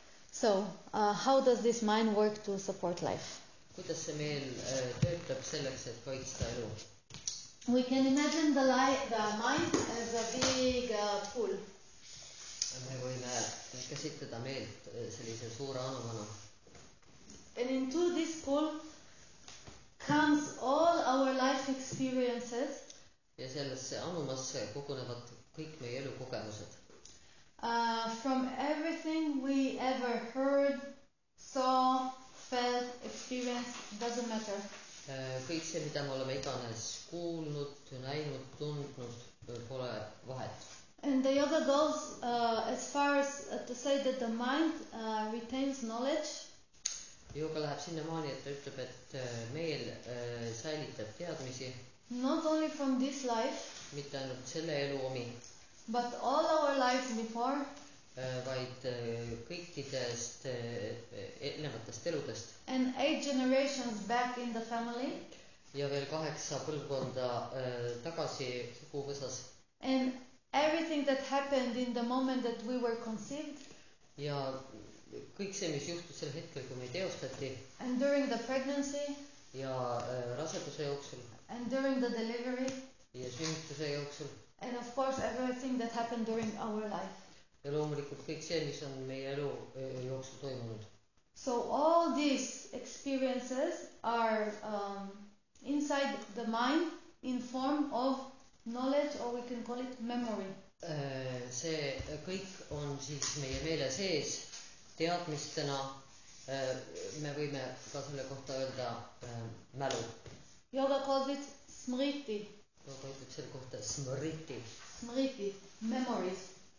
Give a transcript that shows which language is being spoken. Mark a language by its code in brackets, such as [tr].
[en] So, how does this mind work to support life? [et] Kuidas see meel töötab selleks, et kaitsta elu? [en] We can imagine the mind as a big pool. [et] Me võime käsitleda meelt sellise suure anumana. [en] And into this pool comes all our life experiences. [et] Ja sellesse anumasse kogunevad kõik meie elu kogemused. [en] From everything we ever heard, saw, felt, experienced, doesn't matter. [et] Kõik see, mida me oleme iganes kuulnud, näinud, tundnud, pole vahet. [en] And the yoga goes as far as to say that the mind retains knowledge. [et] Yoga läheb sinna maani, et ta ütleb, et meel säilitab teadmisi. [en] Not only from this life. [et] Mitte ainult selle elu omi. [en] But all our lives before. [et] Vaid kõikidest elnevatest eludest. [en] And 8 generations back in the family. [et] Ja veel 8 põlvkonda tagasi suguvõsas. [en] And everything that happened in the moment that we were conceived. [et] Ja kõik see, mis juhtus sel hetkel, kui meid eostati. [en] And during the pregnancy. [et] Ja raseduse jooksul. [en] And during the delivery. [et] Ja sünnituse jooksul. [en] And of course everything that happened during our life. [et] Ja loomulikult kõik see, mis on meie elu jooksul toimunud. [en] So all these experiences are inside the mind in form of knowledge, or we can call it memory. [et] See kõik on siis meie meele sees teadmistena. Me võime ka selle kohta öelda mälu. [en] Yoga calls it smriti. [et] Yoga ütleb selle kohta smriti. [en] Smriti, memories.